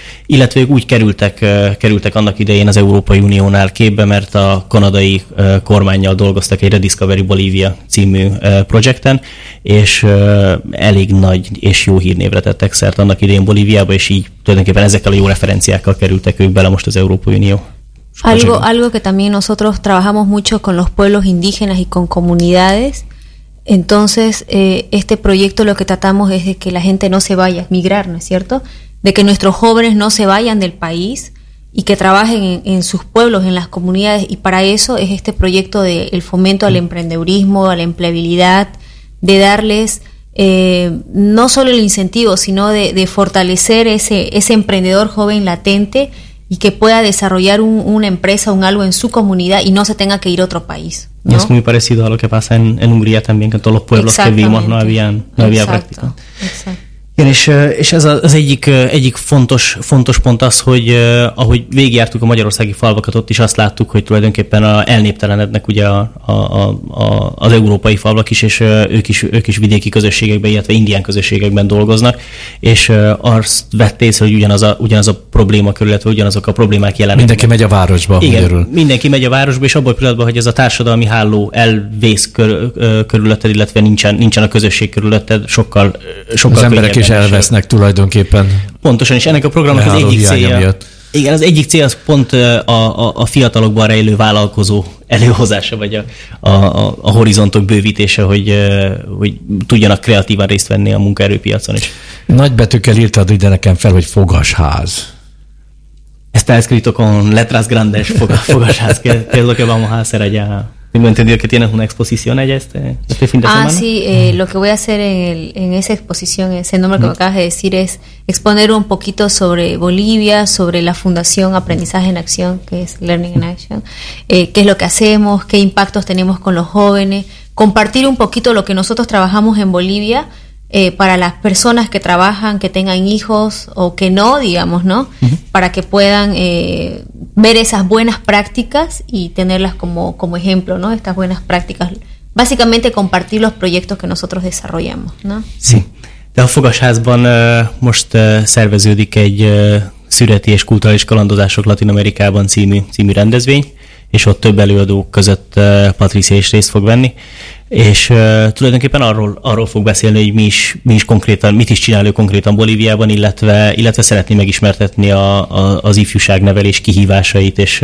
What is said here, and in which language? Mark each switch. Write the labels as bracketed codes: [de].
[hu] Illetve ők úgy kerültek annak idején az Európai Uniónál képbe, mert a kanadai kormánnyal dolgoztak egy Rediscovery Bolivia című projekten, és elég nagy és jó hírnévre tettek szert annak idején Bolíviába, és így tulajdonképpen ezekkel a jó referenciákkal kerültek ők bele most az Európai Unió. [es] Algo que también nosotros trabajamos mucho con los pueblos indígenas y con comunidades. Entonces, este proyecto lo que tratamos es de que la gente no se vaya a migrar, ¿no es cierto? De que nuestros jóvenes no se vayan del país y que trabajen en sus pueblos, en las comunidades. Y para eso es este proyecto del fomento al emprendedurismo, a la empleabilidad, de darles no solo el incentivo, sino de fortalecer ese emprendedor joven latente y que pueda desarrollar una empresa o un algo en su comunidad y no se tenga que ir a otro país, ¿no? Y es muy parecido a lo que pasa en Hungría también, que en todos los pueblos que vimos no había práctica. [hu] Igen, és ez az egyik fontos pont az, hogy ahogy végigjártuk a magyarországi falvakat, ott is azt láttuk, hogy tulajdonképpen elnéptelenednek ugye az európai falvak is, és ők is vidéki közösségekben, illetve indián közösségekben dolgoznak, és azt vett észre, hogy ugyanaz a probléma körülete, ugyanazok a problémák jelenek. Mindenki megy a városba. Igen, mindenki megy a városba, és abban a pillanatban, hogy ez a társadalmi háló elvész körülötted, illetve nincsen a közösség körülötted, sokkal és elvesznek tulajdonképpen. Pontosan, és ennek a programnak az egyik célja. Igen, az egyik cél az pont a fiatalokban rejlő vállalkozó előhozása, vagy a horizontok bővítése, hogy tudjanak kreatívan részt venni a munkaerőpiacon is. Nagy betűkkel írtad ide nekem fel, hogy fogasház. Ezt elszkrítok a [es] letras grandes [hu] fogasház. Például [es] que vamos a hacer allá. Tengo entendido que tienes una exposición allá este fin de semana. Ah, sí, lo que voy a hacer en esa exposición, ese nombre que me acabas de decir, es exponer un poquito sobre Bolivia, sobre la Fundación Aprendizaje en Acción, que es Learning in Action, qué es lo que hacemos, qué impactos tenemos con los jóvenes, compartir un poquito lo que nosotros trabajamos en Bolivia para las personas que trabajan, que tengan hijos o que no, digamos, ¿no? Para que puedan ver esas buenas prácticas y tenerlas como ejemplo, ¿no? Estas buenas prácticas. Básicamente compartir los proyectos que nosotros desarrollamos, ¿no? Sí. [hu] De a fogasházban most szerveződik egy szüreti és kulturális kalandozások Latin-Amerikában című rendezvény, és ott több előadó között Patricia is részt fog venni, és tulajdonképpen arról fog beszélni, hogy mi is konkrétan, mit is csinál ő konkrétan Bolíviában, illetve szeretné megismertetni az ifjúságnevelés kihívásait